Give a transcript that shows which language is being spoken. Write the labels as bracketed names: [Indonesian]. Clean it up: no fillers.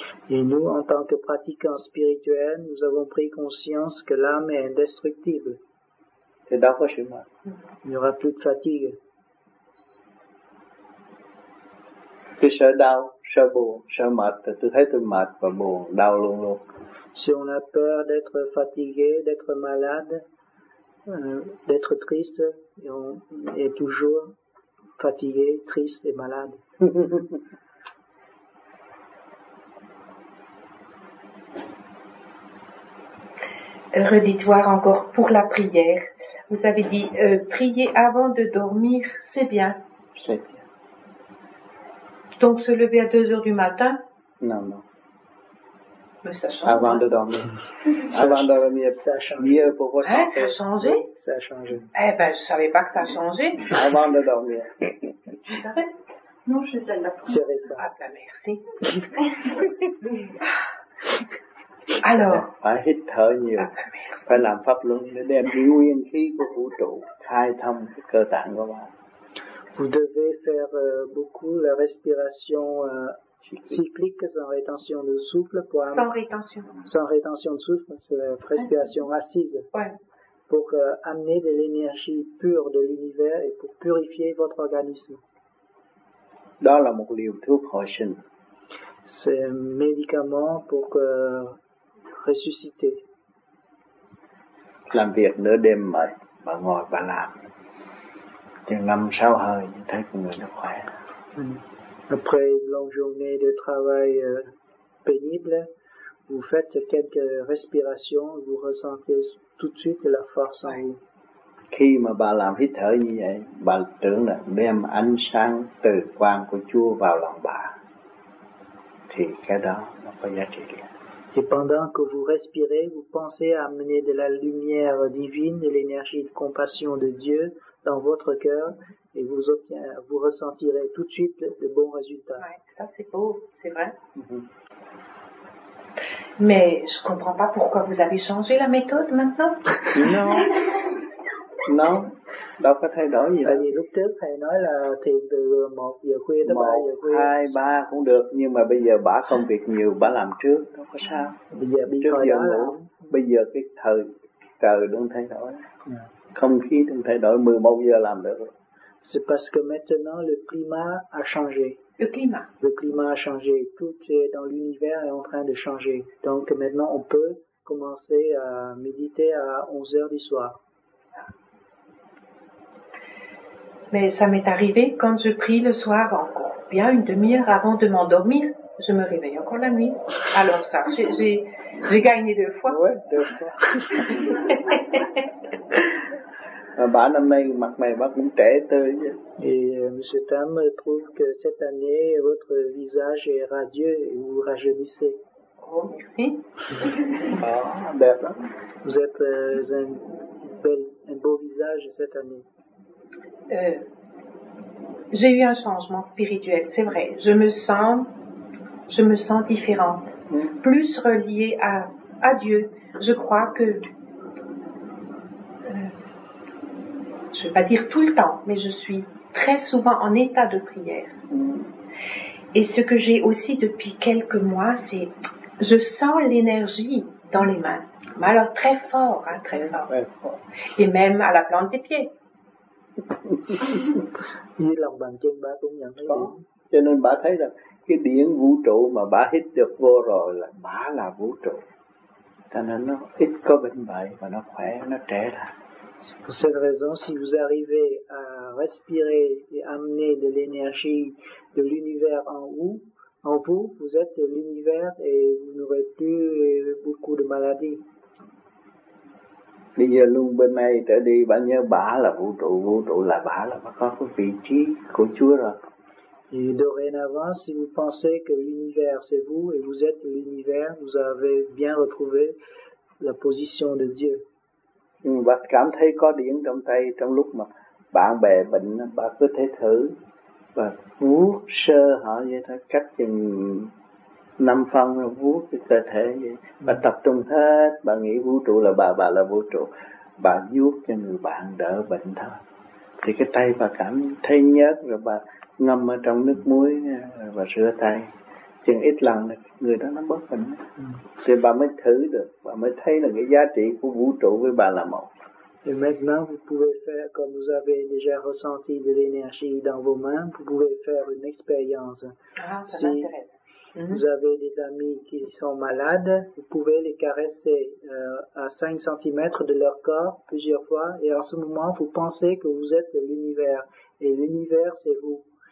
[French] Et nous, en tant que pratiquants spirituels, nous avons pris conscience que l'âme est indestructible. [Vietnamese] Thì đâu có sự mệt. [French] Il n'y aura plus de fatigue. [Vietnamese] Tôi sợ đau, sợ buồn, sợ mệt, tôi thấy tôi mệt và buồn, đau luôn luôn. [French] Si on a peur d'être fatigué, d'être malade, d'être triste, et on est toujours fatigué, triste et malade. Redis-toi encore pour la prière. Vous avez dit, prier avant de dormir, c'est bien. C'est bien. Donc, se lever à 2h du matin? Non, non. Mais ça change. Avant de dormir. Avant de dormir, ça a changé. Mieux pour vous. Hein, ça a changé? Oui, ça a changé. Eh ben, je ne savais pas que ça a changé. Avant de dormir. Tu savais? Non, je sais pas. C'est resté. Ah, ben, merci. Alors, [Vietnamese] phải hít thở nhiều, phải làm pháp luân để đem nguyên khí của vũ trụ khai thông cơ tạng của bạn. [French] Vous devez faire beaucoup la respiration cyclique sans rétention de souffle pour sans rétention. Sans rétention de souffle, c'est la respiration assise. Ouais. Pour amener de l'énergie pure de l'univers et pour purifier votre organisme. [Vietnamese] Đó là một liều thuốc hồi sinh. [French] C'est un médicament pour que ressusciter. [Vietnamese] Làm việc nửa đêm mệt, bà ngồi bà làm. Chừng 5-6 hơi, thấy con người nó khỏe. [French] Après une longue journée de travail pénible, vous faites quelques respirations, vous ressentez tout de suite la force en vous. [Vietnamese] Khi mà bà làm hít thở như vậy, bà tưởng là đem ánh sáng từ quang của Chúa vào lòng bà. Thì cái đó nó có giá trị liền. [French] Et pendant que vous respirez, vous pensez à amener de la lumière divine, de l'énergie de compassion de Dieu dans votre cœur, et vous obtiendrez, vous ressentirez tout de suite de bons résultats. Ouais, ça c'est beau, c'est vrai. Mm-hmm. Mais je comprends pas pourquoi vous avez changé la méthode maintenant. Non. Non, [Vietnamese] đâu có thay đổi gì đâu. Tại vì lúc trước thầy nói là thiền từ 1 giờ khuya tới 3 giờ khuya. 1, 2, 3 cũng được, nhưng mà bây giờ bả công việc nhiều, bả làm trước, đâu có sao. Bây giờ bị trước giờ ngủ, bây giờ cái thời trời đang thay đổi. Không khí đang thay đổi, 11 giờ làm được. [French] C'est parce que maintenant le climat a changé. Le climat. Le climat a changé, tout est dans l'univers est en train de changer. Donc maintenant on peut commencer à méditer à 11h du soir. Mais ça m'est arrivé quand je prie le soir encore bien une demi-heure avant de m'endormir, je me réveille encore la nuit. Alors ça, j'ai gagné deux fois. Ouais, deux fois. [Vietnamese] Bà năm nay mặt mày bà cũng trẻ tươi. [French] Et Monsieur Tam trouve que cette année votre visage est radieux et vous rajeunissez. Oh merci. Ah, d'accord. Vous êtes un beau visage cette année. J'ai eu un changement spirituel, c'est vrai. Je me sens différente, plus reliée à Dieu. Je crois que, je ne vais pas dire tout le temps, mais je suis très souvent en état de prière. Et ce que j'ai aussi depuis quelques mois, c'est je sens l'énergie dans les mains. Mais alors très fort, hein, très fort. Très fort. Et même à la plante des pieds. [Vietnamese] Như lòng bàn chân ba cũng nhận thấy. Cho nên bà thấy là cái điển vũ trụ mà bà hít được vô rồi là bà là vũ trụ. Cho nên nó ít có bệnh bệnh và nó khỏe, nó trẻ lại. [French] Pour cette raison, si vous arrivez à respirer et amener de l'énergie de l'univers en vous, vous êtes de l'univers et vous n'aurez plus beaucoup de maladies. [Vietnamese] Bây giờ luôn bên này trở đi, bạn nhớ bà là vũ trụ là bà là bà có cái vị trí của Chúa rồi. [French] Et dorénavant, si vous pensez que l'univers c'est vous et vous êtes l'univers, vous avez bien retrouvé la position de Dieu. [Vietnamese] Bà cảm thấy có điện trong tay trong lúc mà bạn bè bệnh, bà cứ thể thử và vuốt sơ họ vậy thôi, cách chừng 5 phân vuốt cái cơ thể vậy. Bà tập trung hết, bà nghĩ vũ trụ là bà là vũ trụ. Bà vuốt cho người bạn đỡ bệnh thôi. Thì cái tay bà cảm thấy nhớt rồi bà ngâm ở trong nước muối và rửa tay. Chừng ít lần là người đó nó bớt bệnh. Thì bà mới thử được, bà mới thấy là cái giá trị của vũ trụ với bà là một. [French] Et maintenant, vous pouvez faire, comme vous avez déjà ressenti de l'énergie dans vos mains, vous pouvez faire une expérience. Ah, ça m'intéresse. Vous avez des amis qui sont malades, vous pouvez les caresser à 5 cm de leur corps plusieurs fois, et en ce moment, vous pensez que vous êtes l'univers, et l'univers, c'est vous.